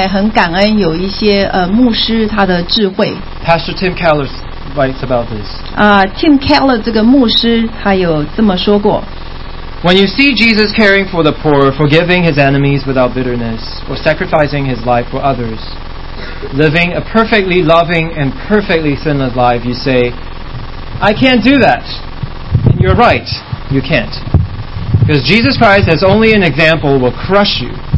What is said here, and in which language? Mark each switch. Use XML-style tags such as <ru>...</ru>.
<zh>也就是在这个时候我们实在很感恩有一些 牧师他的智慧</zh> <en>Pastor Tim Keller writes about this</en> <zh>Tim Keller 这个牧师 他有这么说过</zh> <en>When you see Jesus caring for the poor forgiving his enemies without bitterness or sacrificing his life for others living a perfectly loving and perfectly sinless life you say I can't do that and you're right you can't Because Jesus Christ as only an example will crush you.</en>